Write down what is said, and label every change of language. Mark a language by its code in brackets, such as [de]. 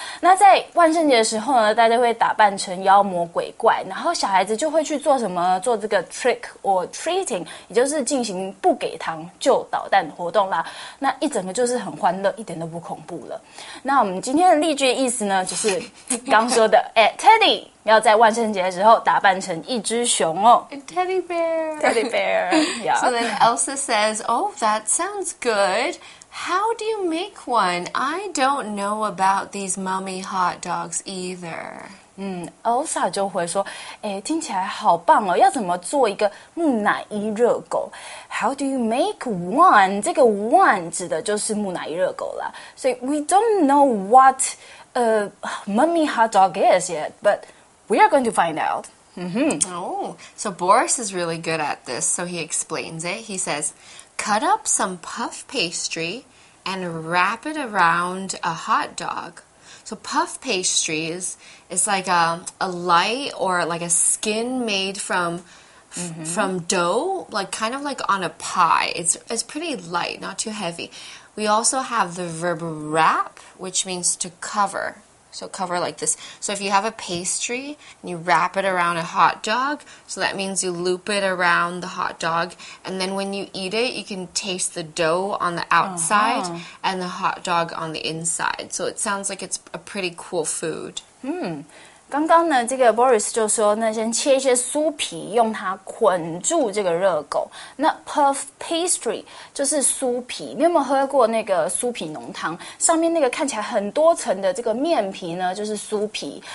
[zh] 那在万圣节的时候呢，大家会打扮成妖魔鬼怪，然后小孩子就会去做什么，做这个 [en] trick or treating, [zh] 也就是进行不给糖就捣蛋的活动啦，那一整个就是很欢乐，一点都不恐怖了。那我们今天的例句意思呢，就是刚说的哎、Teddy要在万圣节的时候打扮成一只熊哦。 [en] Teddy bear.、 Yeah. So then Elsa says, oh, that sounds good. How do you make one? I don't know about these mummy hot dogs either.、 [zh] Elsa 就会说、欸、听起来好棒哦，要怎么做一个木乃伊热狗。 [en] How do you make one? [zh] 这个 one 指的就是木乃伊热狗啦。所以 [en] we don't know what a mummy hot dog is yet, but... We are going to find out.、 Oh, so Boris is really good at this, so he explains it. He says, cut up some puff pastry and wrap it around a hot dog. So puff pastry is like a light or like a skin made from dough, like kind of like on a pie. It's pretty light, not too heavy. We also have the verb wrap, which means to cover. So cover like this. So if you have a pastry and you wrap it around a hot dog, so that means you loop it around the hot dog. And then when you eat it, you can taste the dough on the outside、uh-huh. and the hot dog on the inside. So it sounds like it's a pretty cool food. Hmm. [zh] 刚刚呢，这个 Boris 就说，那先切一些酥皮，用它捆住这个热狗。那 puff pastry 就是酥皮。你有没有喝过那个酥皮浓汤？上面那个看起来很多层的这个面皮呢，就是酥皮。